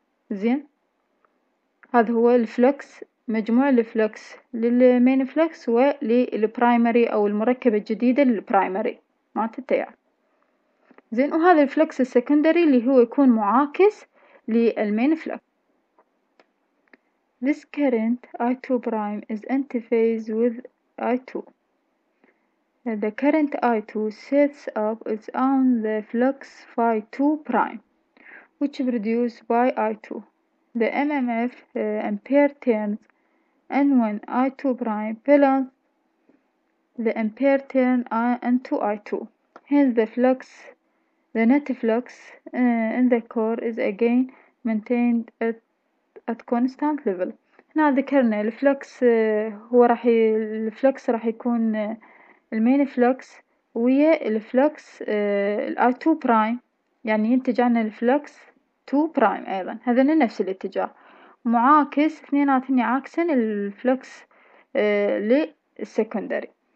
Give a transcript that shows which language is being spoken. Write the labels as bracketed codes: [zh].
[ar] زين، هذا هو الفلكس، مجموع الفلكس للمين فلكس وللبرايمري او المركبة الجديدة للبرايمري مات التيار. زين، وهذا الفلكس السكندري اللي هو يكون معاكس للمين فلكس. [en] This current I2 prime is in phase with I2. The current I2 sets up its own the flux phi 2 prime which is produced by I2. The MMF ampere turns N1 I2 prime plus the ampere turn N2 I2. Hence the flux, the net flux in the core is again maintained at constant level. [ar] هنا ذكرنا الفلكس هو راح الفلكس راح يكون المين فلكس ويا الفلكس الاي 2 برايم، يعني ينتج عنا الفلكس 2 برايم ايضا، هذين نفس الاتجاه معاكس، اثنيناتهم يعاكسن الفلكس للسكندري.